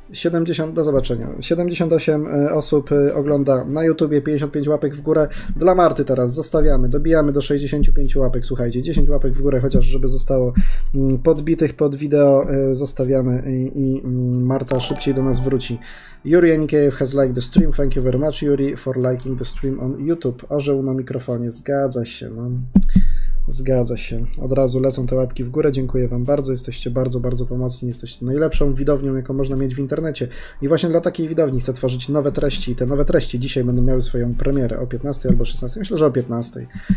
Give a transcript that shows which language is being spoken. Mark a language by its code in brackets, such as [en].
[pl] 70, do zobaczenia. 78 osób ogląda na YouTubie, 55 łapek w górę. Dla Marty teraz zostawiamy, dobijamy do 65 łapek, słuchajcie, 10 łapek w górę, chociaż żeby zostało podbitych pod wideo, zostawiamy i Marta szybciej do nas wróci. [en] Yuri Anikiev has liked the stream. Thank you very much, Yuri, for liking the stream on YouTube. [pl] Orzeł na mikrofonie. Zgadza się, no. Zgadza się. Od razu lecą te łapki w górę. Dziękuję wam bardzo. Jesteście bardzo, bardzo pomocni. Jesteście najlepszą widownią, jaką można mieć w internecie. I właśnie dla takiej widowni chcę tworzyć nowe treści. I te nowe treści dzisiaj będą miały swoją premierę o 15 albo 16. Myślę, że o 15.